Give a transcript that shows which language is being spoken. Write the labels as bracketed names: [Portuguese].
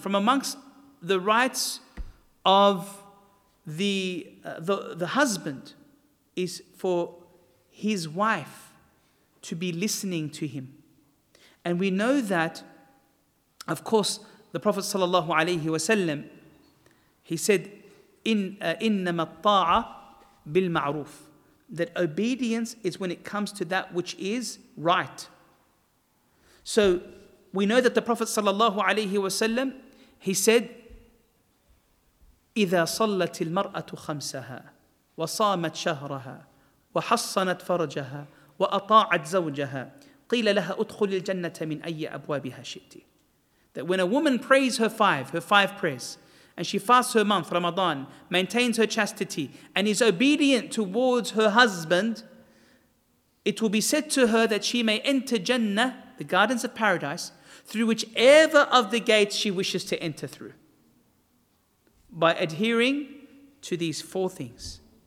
[English] From amongst the rights of the husband is for his wife to be listening to him. And we know that, of course, the Prophet sallallahu alayhi wa sallam, he said, [Arabic] إِنَّمَا الطَّاعَ بِالْمَعْرُوفِ, [English] that obedience is when it comes to that which is right. So we know that the Prophet sallallahu alayhi wa sallam, he said, [Arabic] إِذَا صَلَّتِ الْمَرْأَةُ خَمْسَهَا وَصَامَتْ شَهْرَهَا وَحَصَّنَتْ فَرَجَهَا وَأَطَاعَتْ زَوْجَهَا قِيلَ لَهَا أُدْخُلِ الْجَنَّةَ مِنْ أَيِّ أَبْوَابِهَا شِئْتِ. [English] That when a woman prays her five prayers, and she fasts her month, Ramadan, maintains her chastity, and is obedient towards her husband, it will be said to her that she may enter Jannah, the gardens of paradise, through whichever of the gates she wishes to enter through, by adhering to these four things.